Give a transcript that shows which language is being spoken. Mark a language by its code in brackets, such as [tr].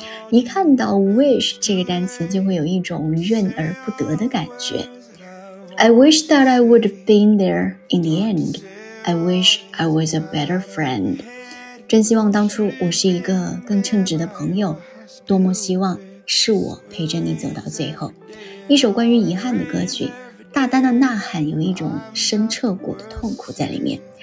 [zh] 一看到 wish 这个单词，就会有一种怨而不得的感觉。 [en] I wish that I would have been there in the end. I wish I was a better friend. [zh] 真希望当初我是一个更称职的朋友，多么希望是我陪着你走到最后。一首关于遗憾的歌曲，大胆的呐喊，有一种深彻骨的痛苦在里面。